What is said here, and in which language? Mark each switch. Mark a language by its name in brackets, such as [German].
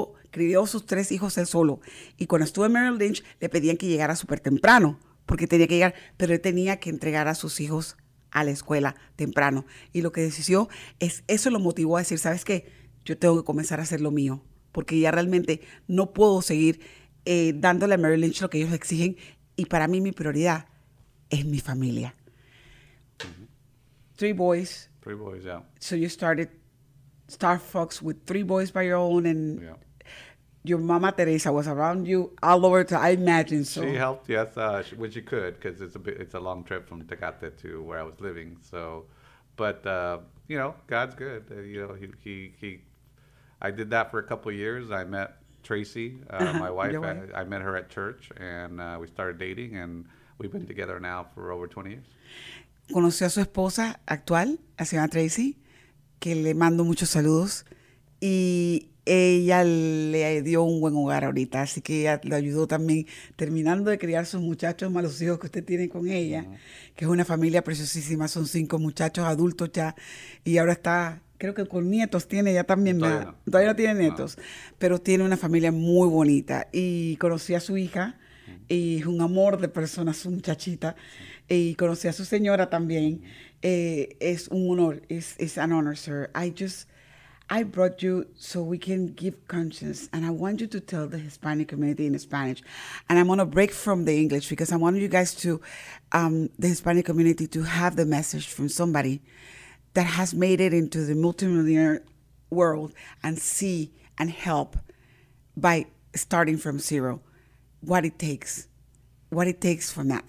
[Spanish] Crió sus 3 hijos él solo. Y cuando estuvo en Merrill Lynch, le pedían que llegara súper temprano, porque tenía que llegar, pero él tenía que entregar a sus hijos a la escuela temprano. Y lo que decidió es, eso lo motivó a decir, ¿sabes qué? Yo tengo que comenzar a hacer lo mío, porque ya realmente no puedo seguir dándole a Merrill Lynch lo que ellos exigen. Y para mí, mi prioridad es mi familia. [English] Mm-hmm. 3 boys. 3 boys, yeah. So you started Starfox with 3 boys by your own and... Yeah. Your mama Teresa was around you all over. I imagine so. She helped, yes, when she could, because it's a long trip from Tecate to where I was living. So, but you know, God's good. You know, he. I did that for a couple of years. I met Tracy, my wife. I met her at church, and we started dating, and we've been together now for over 20 years. [Spanish] Conoció a su esposa actual, a señora Tracy, que le mando muchos saludos, y ella le dio un buen hogar ahorita, así que ella lo ayudó también terminando de criar sus muchachos más los hijos que usted tiene con ella, que es una familia preciosísima, son 5 muchachos adultos ya, y ahora está, creo que con nietos tiene ya también, todavía no tiene nietos, pero tiene una familia muy bonita, y conocí a su hija, y es un amor de persona, su muchachita, y conocí a su señora también, es un honor, [English] it's an honor, sir. I brought you so we can give conscience, and I want you to tell the Hispanic community in Spanish. And I'm going to break from the English because I want you guys to, the Hispanic community, to have the message from somebody that has made it into the multimillionaire world and see and help by starting from zero, what it takes from that.